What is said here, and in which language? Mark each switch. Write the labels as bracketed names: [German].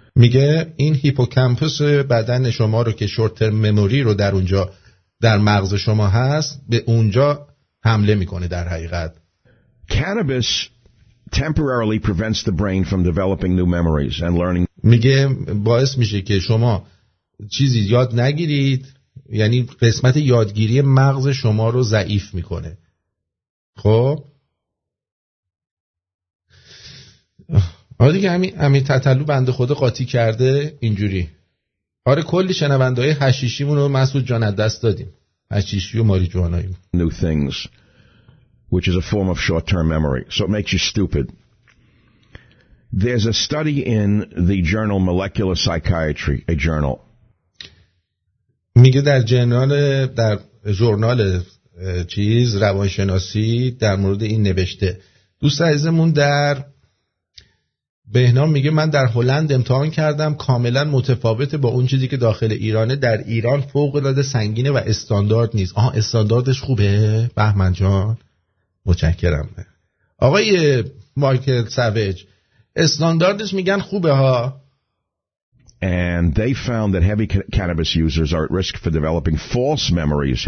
[Persian] میگه این هیپوکامپوس بدن شما رو که [English] short-term memory [Persian] رو در اونجا در مغز شما هست به اونجا حمله میکنه در حقیقت. [English] Cannabis temporarily prevents the brain from developing new memories and learning. [Persian] میگه باعث میشه که شما چیزی یاد نگیرید، یعنی قسمت یادگیری مغز شما رو ضعیف میکنه. خب آره دیگه، همین تطلو بنده خدا قاطی کرده اینجوری. آره کلی شنونده های حشیشیمون رو مسعود جان دست دادیم، حشیشی و ماری جوانایی. [English] New things, which is a form of short-term memory, so it makes you stupid. There's a study in the journal Molecular Psychiatry, a journal. [Persian] میگه در جنرال در جورنال چیز روانشناسی در مورد این نوشته. دوست عزیزمون در بهنام میگه من در هلند امتحان کردم، کاملا متفاوته با اون چیزی که داخل ایرانه. در ایران فوق العاده سنگینه و استاندارد نیست. آها استانداردش خوبه بهمن جان، متشکرم. آقای مایکل سوویج استانداردش میگن خوبه ها. [English] And they found that heavy cannabis users are at risk for developing false memories.